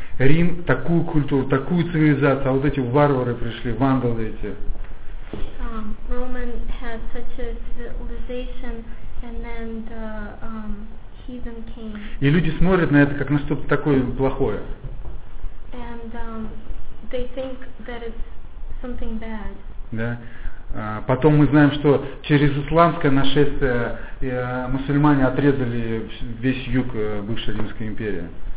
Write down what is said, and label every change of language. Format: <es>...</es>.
<ru>Рим такую культуру, такую цивилизацию, а вот эти варвары пришли, вандалы эти.</ru> <en>Roman had such a civilization, and then the heathen came.</en> <ru>И люди смотрят на это как на что-то такое плохое.</ru> <en>And they think that it's something bad.</en> <ru>Да. Потом мы знаем, что через исламское нашествие мусульмане отрезали весь юг бывшей Римской империи.</ru>